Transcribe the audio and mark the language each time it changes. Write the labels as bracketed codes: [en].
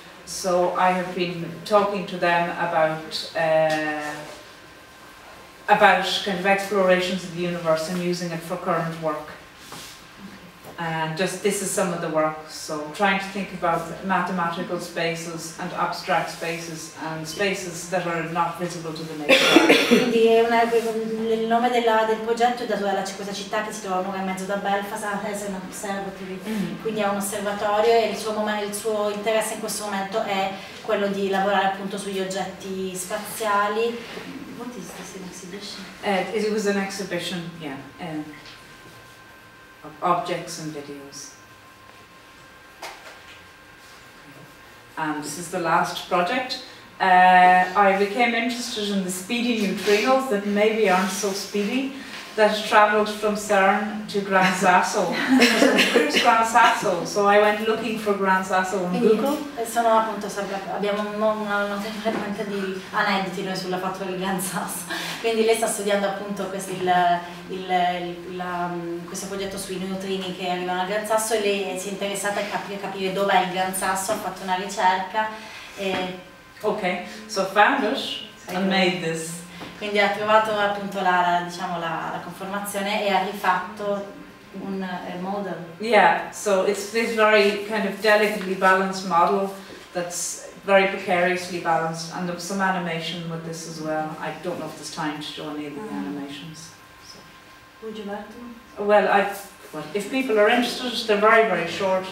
[en] So I have been talking to them about kind of explorations of the universe and using it for current work. And just this is some of the work. So trying to think about mathematical spaces and abstract spaces and spaces that are not visible to the naked eye. [it] Quindi è il nome del progetto è dato dalla questa città che si trova un'ora e mezzo da Belfast, è un observatory. Quindi è un osservatorio e il suo interesse in questo momento è quello di lavorare appunto sugli oggetti spaziali. [en] What is this, an exhibition? It was an exhibition, yeah. Objects and videos. And this is the last project. I became interested in the speedy neutrinos that maybe aren't so speedy that travelled from CERN to Gran Sasso. Where's Gran Sasso? So I went looking for Gran Sasso on Google. [it] Sono appunto sempre, abbiamo una frequente di aneddoti noi sulla fatto del Gran Sasso. Quindi lei sta studiando appunto questo progetto sui neutrini che arrivano al Gran Sasso e lei si è interessata a capire dov'è il Gran Sasso, ha fatto una ricerca e... [en] Ok, so found it and made this. [it] Quindi ha trovato appunto la conformazione e ha rifatto un model. [en] Yeah, so it's this very kind of delicately balanced model that's very precariously balanced, and there was some animation with this as well. I don't know if there's time to show any of the animations. So. Would you like to? Well, if people are interested, they're very very short.